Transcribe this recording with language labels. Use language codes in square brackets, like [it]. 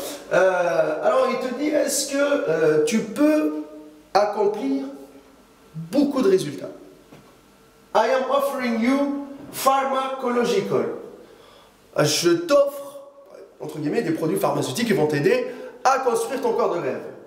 [fr] Alors, il te dit, est-ce que tu peux accomplir beaucoup de résultats? [en] I am offering you pharmacological. [fr] Je t'offre, entre guillemets, des produits pharmaceutiques qui vont t'aider à construire ton corps de rêve.